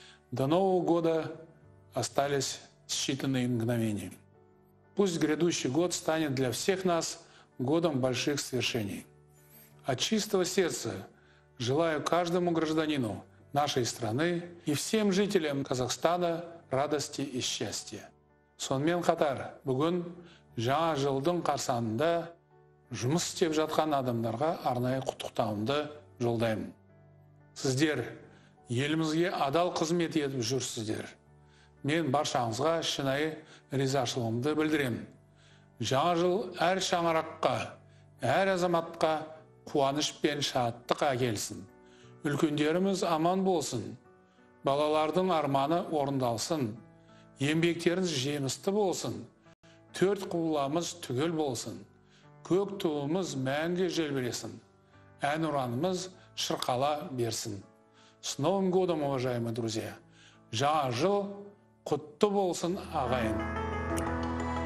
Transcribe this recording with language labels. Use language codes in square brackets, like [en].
[ru] До Нового года остались считанные мгновения. Пусть грядущий год станет для всех нас годом больших свершений. От чистого сердца желаю каждому гражданину нашей страны и всем жителям Казахстана радости и счастья. [kk] Сонымен қатар, бүгін жаңа жылдың қарсаңында жұмыс істеп жатқан адамдарға арнайы құттықтауымды жолдаймын. Сіздер елімізге адал қызмет етіп жүрсіздер. Мен баршаңызға шынайы ризашылығымды білдіремін. Жаңа жыл әр шаңыраққа, әр азаматқа қуаныш пен шаттық әкелсін. Үлкендеріміз аман болсын. Балалардың арманы орындалсын. Еңбектеріңіз жемісті болсын. Төрт құбыламыз түгел болсын. Көк туымыз мәңгі желбіресін. Ән ұранымыз шырқала берсін. [ru] С Новым годом, уважаемые друзья! [kk] Жаңа жыл құтты болсын, ағайын!